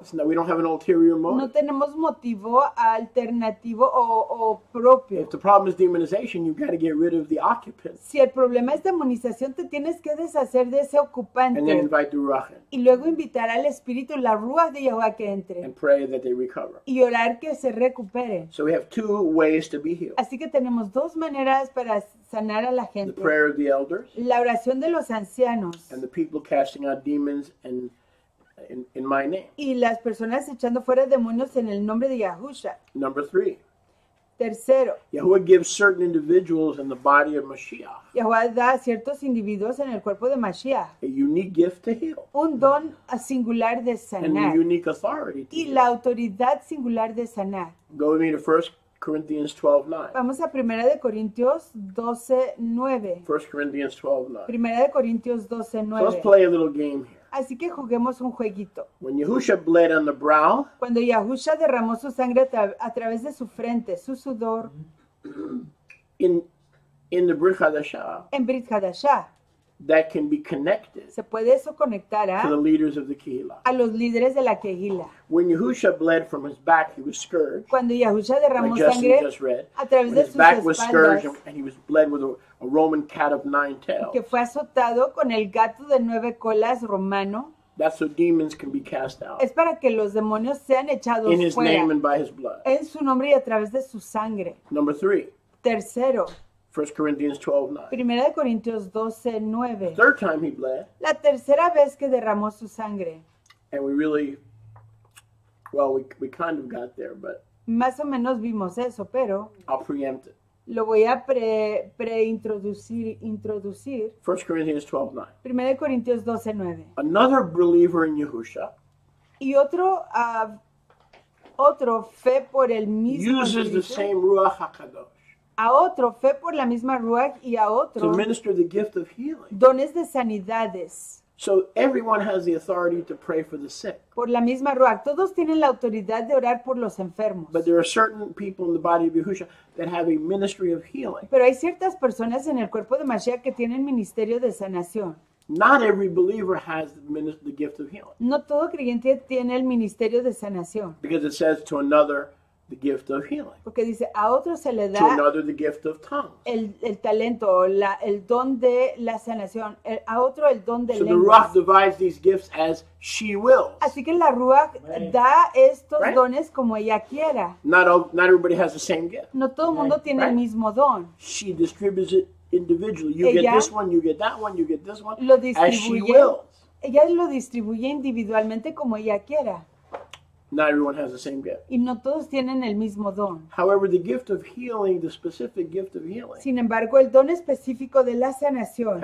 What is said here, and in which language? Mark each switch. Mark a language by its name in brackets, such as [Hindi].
[English] It's not, we don't have an ulterior motive. [Spanish] No tenemos motivo alternativo o propio. [English] If the problem is demonization, you've got to get rid of the occupant. [Spanish] Si el problema es demonización, te tienes que deshacer de ese ocupante. [English] And then invite the Ruach in. [Spanish] Y luego invitar al Espíritu, la Ruach de Yahuwah que entre. [English] And pray that they recover. [Spanish] Y orar que se recupere. [English] So we have two ways to be healed. [Spanish] Así que tenemos dos maneras para sanar a la gente. [English] The prayer of the elders. [Spanish] La oración de los ancianos. [English] And the people casting out demons and in my name. [Spanish] Y las personas echando fuera demonios en el nombre de Yahusha. [English] Number three. [Spanish] Tercero. [English] Yahuwah gives certain individuals in the body of Mashiach. [Spanish] Yahuwah da a ciertos individuos en el cuerpo de Mashiach. [English] A unique gift to heal. [Spanish] Un don singular de sanar. [English] And a unique authority to [Spanish] y [English] heal. [Spanish] La autoridad singular de sanar. [English] Go with me to 1 Corinthians 12:9. [Spanish] Vamos a 1 Corintios 12:9. [English] 1 Corinthians 12:9. [Spanish] 1 Corintios 12:9. [English] So let's play a little game here. [Spanish] Así que juguemos un jueguito. [English] When Yahusha bled on the brow, [Spanish] cuando Yahusha derramó su sangre a través de su frente, su sudor. [English] In the Brit Hadashah. [Spanish] En Brit Hadashah. [English] That can be connected. [Spanish] Se puede eso conectar a. [English] To the leaders of the Kehillah. [Spanish] A los líderes de la Kehillah. [English] When Yahusha bled from his back, he was scourged. [Spanish] Cuando Yahusha derramó [English] like [Spanish] sangre [English] just read, [Spanish] a través de [English] his back [Spanish] espaldas, [English] was scourged and he was bled with a Roman cat of nine tails. [Spanish] Que fue azotado con el gato de nueve colas romano. [English] That's so demons can be cast out. [Spanish] Es para que los demonios sean echados [English] in his [Spanish] fuera. [English] Name and by his blood. [Spanish] En su nombre y a través de su sangre. [English] Number three. [Spanish] Tercero. [English] 1 Corinthians 12:9. [Spanish] Primera de Corintios 12:9. [English] Third time he bled. [Spanish] La tercera vez que derramó su sangre. [English] And we really, well, we kind of got there, but. [Spanish] Más o menos vimos eso, pero. [English] I'll preempt it. [Spanish] Lo voy a introducir. [English] 1 Corinthians 12:9. [Spanish] 1 Corintios 12:9. [English] Another believer in Yahusha. [Spanish] Y otro fe por el mismo. [English] Uses Cristo, the same Ruach HaKadosh. [Spanish] A otro fe por la misma Ruach y a otro. [English] To minister the gift of healing. [Spanish] Dones de sanidades. [English] So everyone has the authority to pray for the sick. [Spanish] Por la misma Ruach, todos tienen la autoridad de orar por los enfermos. [English] But there are certain people in the body of Yahusha that have a ministry of healing. [Spanish] Pero hay ciertas personas en el cuerpo de Mashiach que tienen ministerio de sanación. [English] Not every believer has the gift of healing. [Spanish] No todo creyente tiene el ministerio de sanación. [English] Because it says to another the gift of healing. [Spanish] Porque dice a otro se le da. [English] To another the gift of tongues. [Spanish] El talento, el don de la sanación. A otro el don de [English] so [Spanish] lenguas. [English] So the Ruach divides these gifts as she wills. [Spanish] Así que la Ruach da estos [English] right? [Spanish] dones como ella quiera. [English] Not everybody has the same gift. [Spanish] No todo el mundo [English] right? [Spanish] tiene right? el mismo don. [English] She distributes it individually. You [Spanish] ella [English] get this one, you get that one, you get this one. [Spanish] Lo distribuye. [English] As she wills. [Spanish] Ella lo distribuye individualmente como ella quiera. [English] Not everyone has the same gift. [Spanish] Y no todos tienen el mismo don. [English] However, the gift of healing, the specific gift of healing. [Spanish] Sin embargo, el don específico de la sanación.